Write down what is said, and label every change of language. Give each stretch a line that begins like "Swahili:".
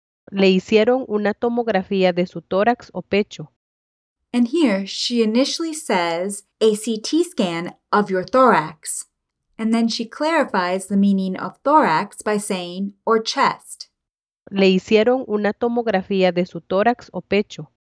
Spanish: Le hicieron una tomografía de su tórax o pecho.
English: And here she initially says a CT scan of your thorax. And then she clarifies the meaning of thorax by saying or chest.
Spanish: Le hicieron una tomografía de su tórax o pecho.